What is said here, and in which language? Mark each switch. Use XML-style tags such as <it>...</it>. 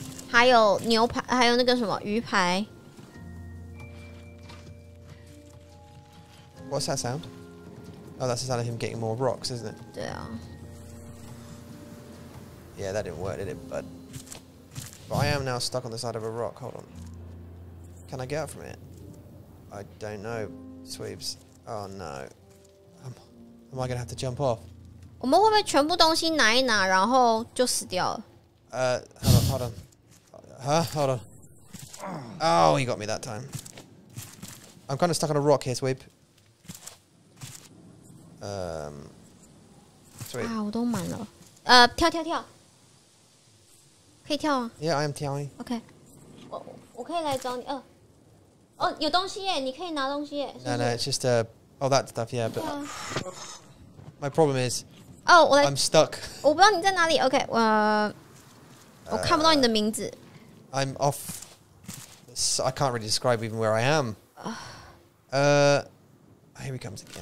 <zh>还有牛排，还有那个什么鱼排。</zh> <en>What's that sound? Oh, that's the sound of him getting more rocks, isn't it?</en> <zh>对啊。</zh> <en>Yeah, that didn't work, did it? But I am now stuck on the side of a rock. Hold on. Can I get out from it? I don't know, Sweeps. Oh no. Am I gonna have to jump off?</en> <zh>我们会不会全部东西拿一拿，然后就死掉了？</zh> <en>Hold on. Huh? Hold on. Oh, he got me that time. I'm kind of stuck on a rock here, Sweep. Sweep.</en> <zh>啊，我都满了。跳。可以跳啊。</zh> <en>Yeah, I am telling.</en> <zh>Okay. 我可以来找你。哦，有东西耶，你可以拿东西耶。</zh> <en>No, no, it's just all that stuff, yeah, but. Yeah. My problem is.</en> <zh>Oh, 我来。</zh> <en>I'm stuck.</en> <zh>我不知道你在哪里。Okay, 我。我看不到你的名字。</zh> <en>I'm off. I can't really describe even where I am. Here he comes again.</en>